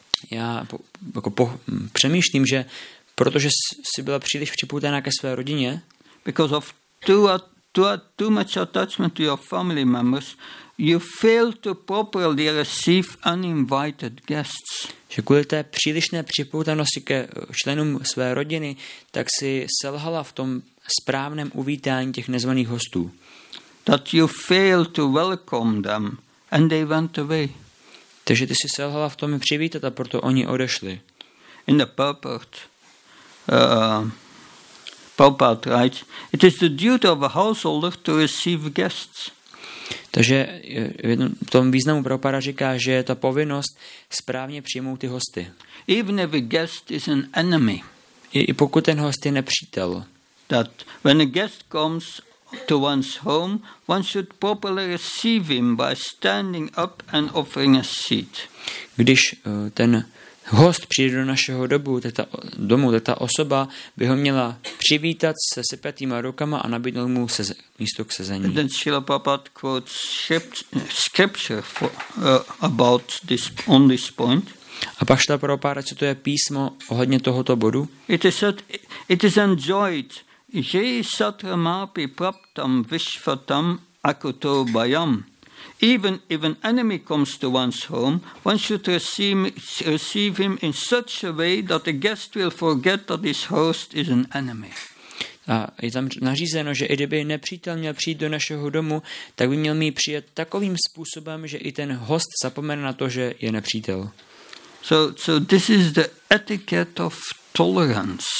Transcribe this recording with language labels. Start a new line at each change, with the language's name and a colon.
Czech: Já přemýšlím, že protože si byla příliš připoutaná ke své rodině.
English: Because of too much attachment to your family members, you fail to properly receive uninvited guests.
Czech: Že kvůli té přílišné připoutanosti ke členům své rodiny, tak si selhala v tom správném uvítání těch nezvaných hostů.
English: That you fail to welcome them. And they went away.
Czech: Takže ty jsi selhala v tom přivítat a proto oni odešli.
English: In the purport, Prabhupada writes, it is the duty of a householder to receive guests.
Czech: Takže v tom významu Prabhupada říká, že je to povinnost správně přijmout ty hosty.
English: Even if a guest is an enemy.
Czech: I pokud ten host je nepřítel.
English: That when a guest comes to one's home, one should properly receive him by standing up and offering a seat.
Czech: Když ten host přijde do našeho domu, tak ta osoba by ho měla přivítat se sepjatýma rukama a nabídnout mu místo k sezení.
English: Then Srila Prabhupada quotes scripture about this, on this point.
Czech: A pak Srila Prabhupada, co to je písmo ohledně tohoto bodu?
English: It is enjoyed.
Sanskrit: Je satramapi praptam vishvatam akuto bayam.
English: Even if an enemy comes to one's home, one should receive him in such a way that the guest will forget that his host is an enemy.
Czech: A je tam nařízeno, že i kdyby nepřítel měl přijít do našeho domu, tak by měl mít přijet takovým způsobem, že i ten host zapomene na to, že je nepřítel.
English: So this is the etiquette of tolerance.